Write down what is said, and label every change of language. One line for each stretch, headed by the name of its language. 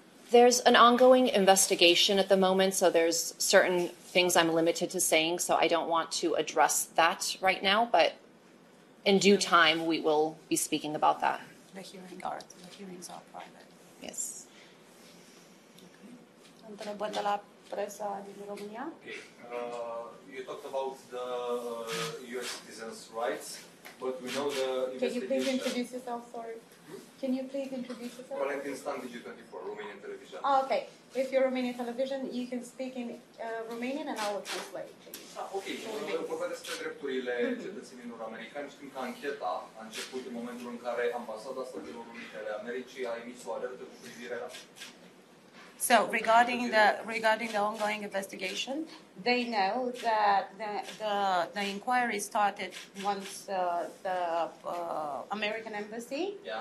English: There's an ongoing investigation at the moment, so there's certain things I'm limited to saying, so I don't want to address that right now, but in due time, we will be speaking about that. The hearings are private. Yes.
Romanian: Întrebări de la presa din România.
English: Okay. You talked about the U.S. citizens' rights, but we know the investigation... Can you please introduce yourself, sorry? Can you please introduce yourself? Valentin Stan, Digi24, Romanian television. Oh, okay. If you're Romanian television, you can speak in Romanian and I will translate. Okay.
Romanian: Vorba despre drepturile cetățenilor americani. Știm că ancheta a început în momentul în care ambasada Statelor Unite ale Americii a emis o alertă cu privire la...
English: So regarding the ongoing investigation, they know that the inquiry started once the American embassy